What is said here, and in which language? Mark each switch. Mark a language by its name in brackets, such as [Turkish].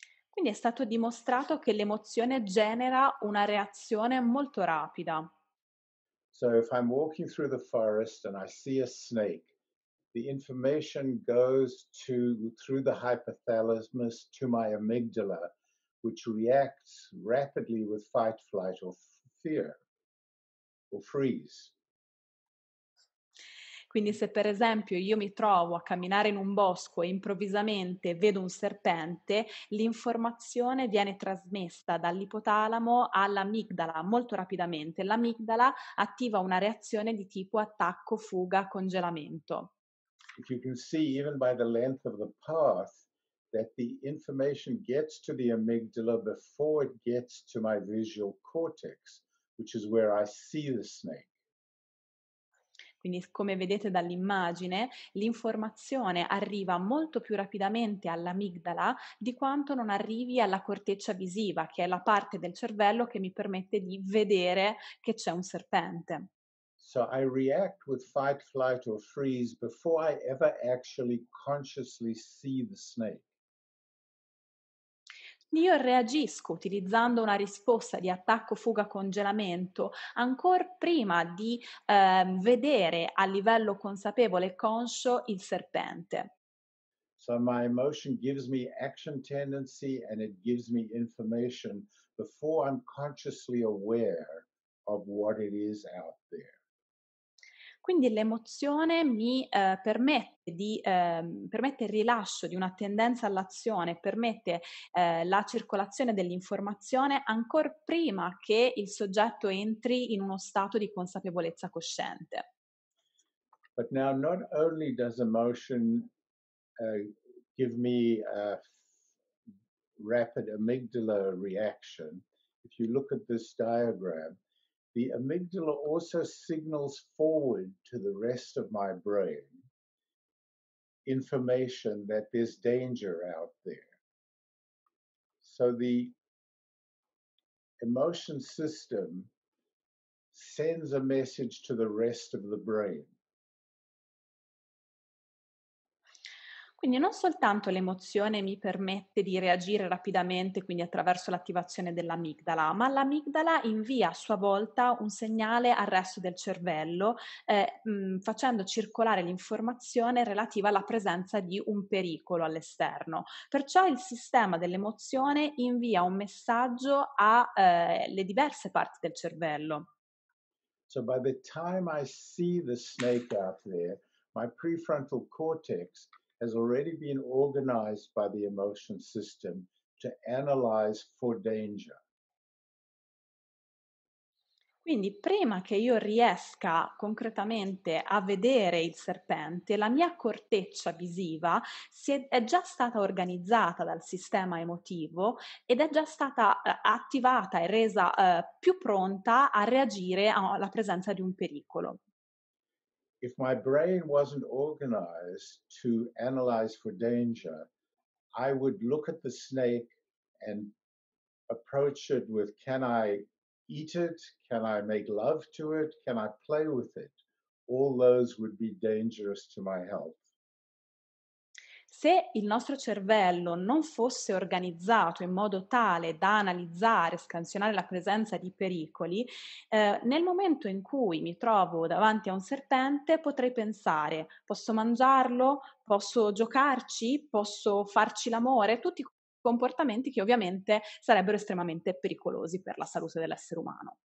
[Italian] Quindi è stato dimostrato che l'emozione genera una reazione molto rapida. [English] So if I'm walking through the forest and I see a snake, the information goes through the hypothalamus to my amygdala, which reacts rapidly with fight, flight or fear, or freeze. [Italian] Quindi se per esempio io mi trovo a camminare in un bosco e improvvisamente vedo un serpente, l'informazione viene trasmessa dall'ipotalamo all'amigdala molto rapidamente. L'amigdala attiva una reazione di tipo attacco, fuga, congelamento. [English] If you can see even by the length of the path that the information gets to the amygdala before it gets to my visual cortex, which is where I see the snake. [Italian] Quindi, come vedete dall'immagine, l'informazione arriva molto più rapidamente all'amigdala di quanto non arrivi alla corteccia visiva, che è la parte del cervello che mi permette di vedere che c'è un serpente. [English] So I react with fight, flight or freeze before I ever actually consciously see the snake. [Italian] Io reagisco utilizzando una risposta di attacco, fuga, congelamento ancora prima di vedere a livello consapevole e conscio il serpente. [English] So my emotion gives me action tendency and it gives me information before I'm consciously aware of what it is out there. [Italian] Quindi l'emozione mi permette il rilascio di una tendenza all'azione, permette la circolazione dell'informazione ancor prima che il soggetto entri in uno stato di consapevolezza cosciente. [English] But now not only does emotion give me a rapid amygdala reaction, if you look at this diagram, the amygdala also signals forward to the rest of my brain information that there's danger out there. So the emotion system sends a message to the rest of the brain. [Italian] Quindi non soltanto l'emozione mi permette di reagire rapidamente, quindi attraverso l'attivazione dell'amigdala, ma l'amigdala invia a sua volta un segnale al resto del cervello, facendo circolare l'informazione relativa alla presenza di un pericolo all'esterno. Perciò il sistema dell'emozione invia un messaggio alle diverse parti del cervello. [English] So by the time I see the snake out there, my prefrontal cortex has already been organized by the emotion system to analyze for danger. [Italian] Quindi prima che io riesca concretamente a vedere il serpente, la mia corteccia visiva è già stata organizzata dal sistema emotivo ed è già stata attivata e resa più pronta a reagire alla presenza di un pericolo. [English] If my brain wasn't organized to analyze for danger, I would look at the snake and approach it with, can I eat it? Can I make love to it? Can I play with it? All those would be dangerous to my health. [Italian] Se il nostro cervello non fosse organizzato in modo tale da analizzare, scansionare la presenza di pericoli, nel momento in cui mi trovo davanti a un serpente potrei pensare, posso mangiarlo, posso giocarci, posso farci l'amore, tutti comportamenti che ovviamente sarebbero estremamente pericolosi per la salute dell'essere umano.